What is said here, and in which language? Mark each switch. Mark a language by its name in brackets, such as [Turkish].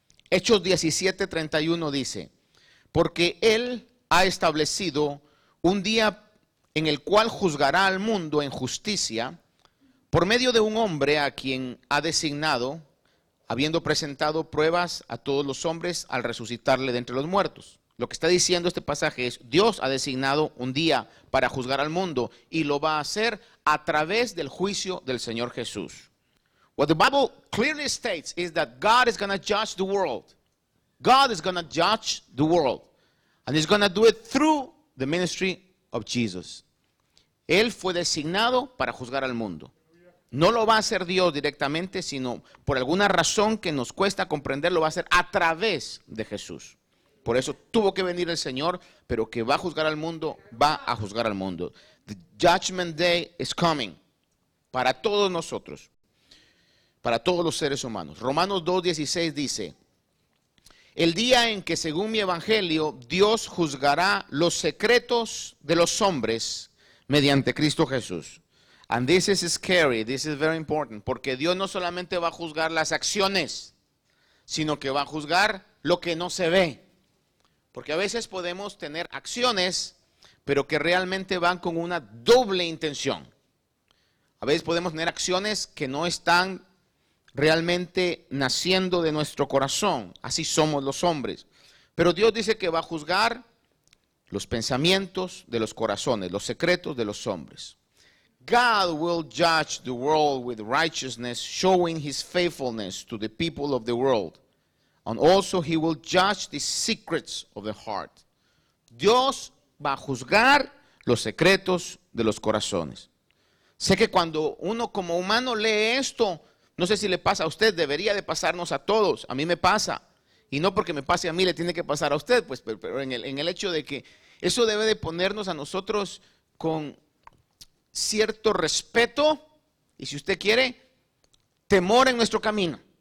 [Spanish] Hechos 17, 31 dice: porque Él ha establecido un día en el cual juzgará al mundo en justicia por medio de un hombre a quien ha designado, habiendo presentado pruebas a todos los hombres al resucitarle de entre los muertos. Lo que está diciendo este pasaje es: Dios ha designado un día para juzgar al mundo y lo va a hacer a través del juicio del Señor Jesús. [English] What the Bible clearly states is that God is going to judge the world. God is going to judge the world, and he's going to do it through the ministry of Jesus. [Spanish] Él fue designado para juzgar al mundo. No lo va a hacer Dios directamente, sino por alguna razón que nos cuesta comprender, lo va a hacer a través de Jesús. Por eso tuvo que venir el Señor, pero que va a juzgar al mundo, va a juzgar al mundo. [English] The judgment day is coming [Spanish] para todos nosotros, para todos los seres humanos. Romanos 2:16 dice: el día en que, según mi evangelio, Dios juzgará los secretos de los hombres mediante Cristo Jesús. [English] And this is scary, this is very important, [Spanish] porque Dios no solamente va a juzgar las acciones, sino que va a juzgar lo que no se ve. Porque a veces podemos tener acciones, pero que realmente van con una doble intención. A veces podemos tener acciones que no están realmente naciendo de nuestro corazón. Así somos los hombres. Pero Dios dice que va a juzgar los pensamientos de los corazones, los secretos de los hombres. [English] God will judge the world with righteousness, showing his faithfulness to the people of the world. And also he will judge the secrets of the heart. [Spanish] Dios va a juzgar los secretos de los corazones. Sé que cuando uno como humano lee esto, no sé si le pasa a usted, debería de pasarnos a todos. A mí me pasa. Y no porque me pase a mí, le tiene que pasar a usted, pues, pero en el hecho de que eso debe de ponernos a nosotros con cierto respeto y, si usted quiere, temor en nuestro camino.